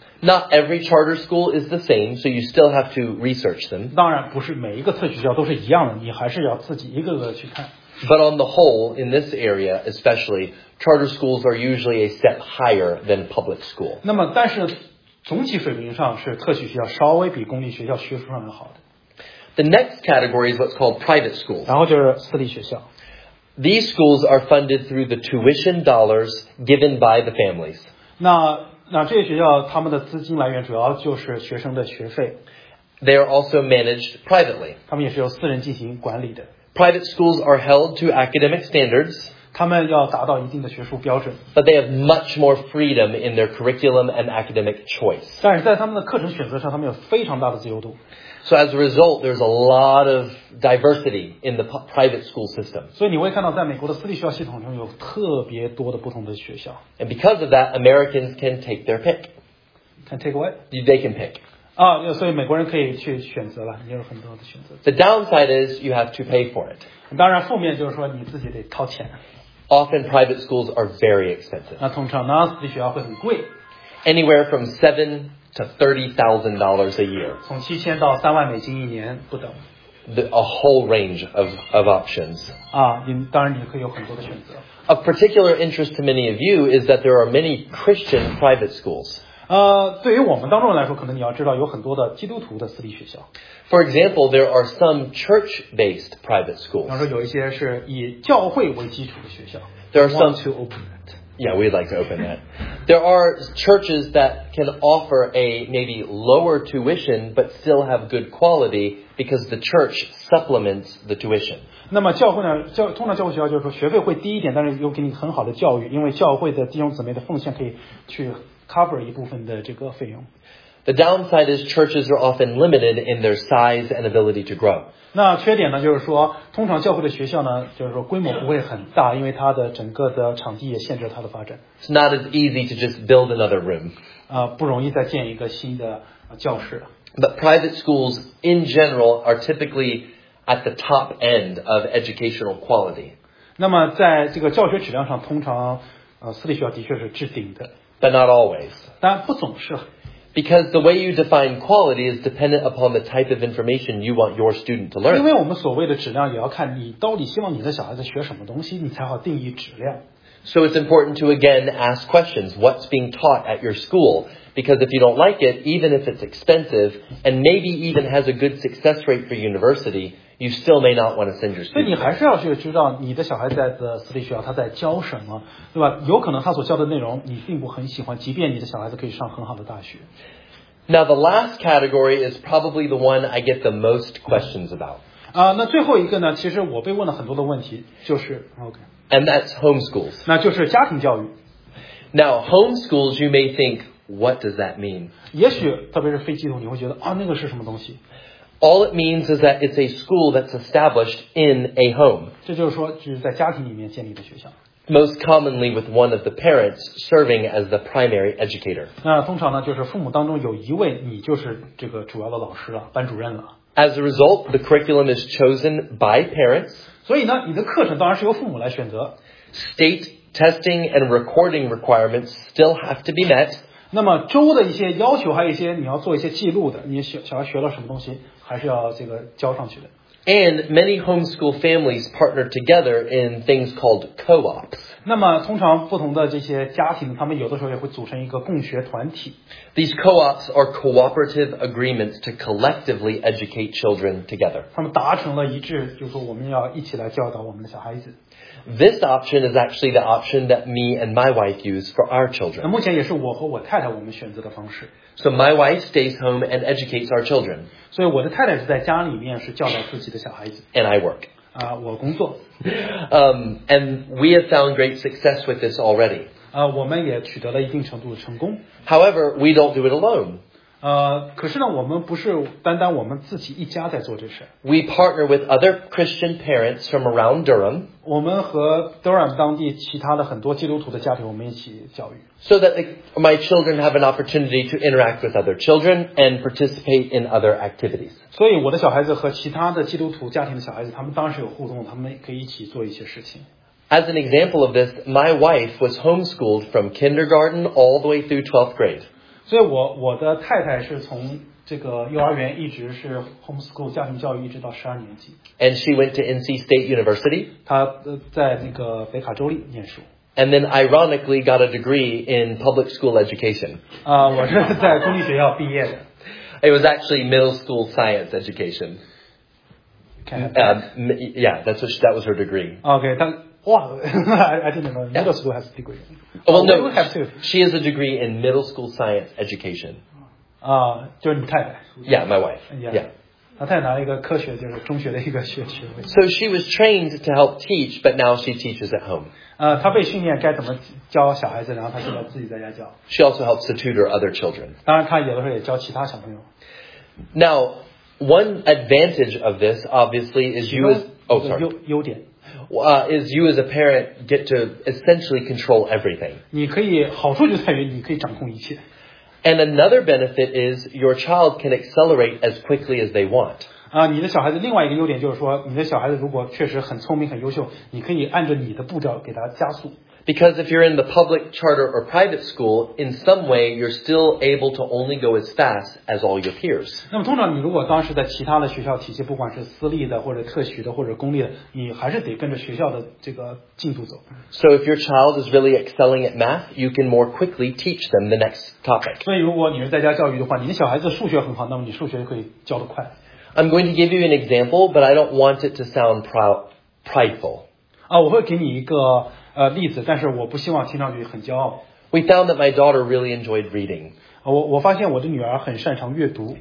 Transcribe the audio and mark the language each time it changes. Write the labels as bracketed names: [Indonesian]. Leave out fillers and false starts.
[English] Not every charter school is the same, so you still have to research them. [Chinese] 当然不是每一个特许学校都是一样的，你还是要自己一个个去看。 [English] But on the whole, in this area especially, charter schools are usually a step higher than public school. [Chinese] 那么但是总体水平上是特许学校稍微比公立学校学术上要好的。 [English] The next category is what's called private schools. [Chinese] 然后就是私立学校。 [English] These schools are funded through the tuition dollars given by the families. [Chinese] 那这些学校他们的资金来源主要就是学生的学费。 [English] They are also managed privately. [Chinese] 他们也是由私人进行管理的。 [English] Private schools are held to academic standards. [Chinese] 他们要达到一定的学术标准。 [English] But they have much more freedom in their curriculum and academic choice. [Chinese] 但是在他们的课程选择上，他们有非常大的自由度。 [English] So as a result, there's a lot of diversity in the private school system. [Chinese] 所以你会看到在美国的私立学校系统中有特别多的不同的学校。 [English] And because of that, Americans can take their pick. Can take what? They can pick. [Chinese] 所以美国人可以去选择了，你有很多的选择。 [English] The downside is you have to pay for it. [Chinese] 当然，负面就是说你自己得掏钱。 [English] Often private schools are very expensive. [Chinese] 那通常呢，私立学校会很贵。 [English] Anywhere from $7,000 to $30,000 a year. [Chinese] 从7000到$30,000一年不等。 [English] A whole range of options. [Chinese] 当然你可以有很多的选择。 [English] Of particular interest to many of you is that there are many Christian private schools. [Chinese] 对于我们当中来说，可能你要知道有很多的基督徒的私立学校。 [English] For example, there are some church-based private schools. [Chinese] 比方说有一些是以教会为基础的学校。 [English] There are some to open that. Yeah, we'd like to open that. There are churches that can offer a maybe lower tuition but still have good quality because the church supplements the tuition. [Chinese] 那么教会呢？通常教会学校就是说学费会低一点，但是又给你很好的教育，因为教会的弟兄姊妹的奉献可以去。 Cover 一部分的这个费用。 [English] The downside is churches are often limited in their size and ability to grow. [Chinese] 那缺点呢，就是说，通常教会的学校呢，就是说规模不会很大，因为它的整个的场地也限制它的发展。 [English] It's not as easy to just build another room. [Chinese] 不容易再建一个新的教室。 [English] But private schools in general are typically at the top end of educational quality. [Chinese] 那么在这个教学质量上，通常私立学校的确是置顶的。 [English] But not always. [Chinese] 但不总是。 [English] Because the way you define quality is dependent upon the type of information you want your student to learn. [Chinese] 因为我们所谓的质量也要看你到底希望你的小孩子学什么东西，你才好定义质量。 [English] So it's important to again ask questions. What's being taught at your school? Because if you don't like it, even if it's expensive, and maybe even has a good success rate for university, you still may not want to send your student. [Chinese] 所以你还是要去知道你的小孩在的私立学校他在教什么，对吧？有可能他所教的内容你并不很喜欢，即便你的小孩子可以上很好的大学。 [English] Now the last category is probably the one I get the most questions about. [Chinese] 那最后一个呢？其实我被问了很多的问题，就是 OK。 [English] And that's homeschools. [Chinese] 那就是家庭教育。 [English] Now, homeschools, you may think, what does that mean? [Chinese] 也许特别是非基督徒，你会觉得啊，那个是什么东西？ [English] All it means is that it's a school that's established in a home. [Chinese] 这就是说，就是在家庭里面建立的学校。 [English] Most commonly with one of the parents serving as the primary educator. [Chinese] 那通常呢，就是父母当中有一位，你就是这个主要的老师了，班主任了。 [English] As a result, the curriculum is chosen by parents. [Chinese] 所以呢，你的课程当然是由父母来选择。 [English] State testing and recording requirements still have to be met. [Chinese] 那么州的一些要求，还有一些你要做一些记录的，你小孩学了什么东西，还是要这个交上去的。 [English] And many homeschool families partner together in things called co-ops. [Chinese] 那么通常不同的这些家庭，他们有的时候也会组成一个共学团体。 [English] These co-ops are cooperative agreements to collectively educate children together. [Chinese] 他们达成了一致，就是说我们要一起来教导我们的小孩子。 [English] This option is actually the option that me and my wife use for our children. [Chinese] 那目前也是我和我太太我们选择的方式。 [English] So my wife stays home and educates our children. [Chinese] 所以我的太太是在家里面是教导自己的小孩子。 [English] And I work. [Chinese] 我工作。 [English] And we have found great success with this already. [Chinese] 我们也取得了一定程度的成功。 [English] However, we don't do it alone. [Chinese] 可是呢，我们不是单单我们自己一家在做这事。 [English] We partner with other Christian parents from around Durham. [Chinese] 我们和 Durham 当地其他的很多基督徒的家庭，我们一起教育。 [English] So that my children have an opportunity to interact with other children and participate in other activities. [Chinese] 所以我的小孩子和其他的基督徒家庭的小孩子，他们当时有互动，他们可以一起做一些事情。 [English] As an example of this, my wife was homeschooled from kindergarten all the way through 12th grade. [Chinese] 所以我的太太是从这个幼儿园一直是 homeschool 家庭教育，一直到十二年级。 [English] And she went to NC State University. [Chinese] 她在那个北卡州立念书。 [English] And then ironically got a degree in public school education. [Chinese] 我是在公立学校毕业的。 [English] It was actually middle school science education. That was her degree. Okay, I didn't know. Middle school has a degree. We have two. She has a degree in middle school science education. [Chinese] 就是你太太。 [English] Yeah, my wife. Yeah. So she was trained to help teach, but now she teaches at home. [Chinese] 她被训练该怎么教小孩子，然后她现在自己在家教。 [English] She also helps to tutor other children. [Chinese] 当然，她有的时候也教其他小朋友。 [English] Now, one advantage of this, obviously, is you as [Chinese] 优点。 [English] Is you as a parent get to essentially control everything. [Chinese] 你可以好处就在于你可以掌控一切。 [English] And another benefit is your child can accelerate as quickly as they want. [Chinese] 你的小孩子另外一个优点就是说，你的小孩子如果确实很聪明、很优秀，你可以按着你的步调给他加速。 [English] Because if you're in the public charter or private school, in some way you're still able to only go as fast as all your peers. [Chinese] 那么通常你如果当时在其他的学校体系，不管是私立的或者特许的或者公立的，你还是得跟着学校的这个进度走。 [English] So if your child is really excelling at math, you can more quickly teach them the next topic. [Chinese] 所以如果你是在家教育的话，你的小孩子数学很好，那么你数学就可以教得快。 [English] I'm going to give you an example, but I don't want it to sound prideful. [Chinese] 啊，我会给你一个例子，但是我不希望听上去很骄傲。 [English] We found that my daughter really enjoyed reading. [Chinese] 我发现我的女儿很擅长阅读。